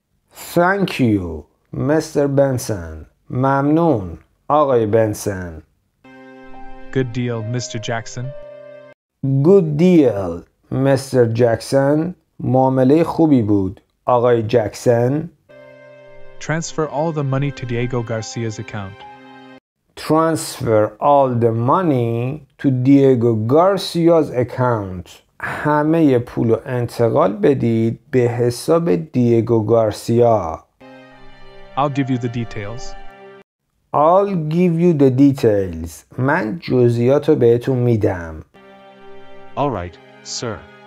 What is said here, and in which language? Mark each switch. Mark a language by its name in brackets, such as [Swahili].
[English] Thank you, Mr. Benson. [Persian] ممنون، آقای بنسن. [English] Good deal, Mr. Jackson. Good deal, Mr. Jackson. [Persian] معامله خوبی بود، آقای جکسن. [English] Transfer all the money to Diego Garcia's account. Transfer all the money to Diego Garcia's account. [Persian] همه پول رو انتقال بدید به حساب دیگو گارسیا. [English] I'll give you the details. I'll give you the details. [Persian] من جزئیات رو بهتون میدم. [English] All right, sir.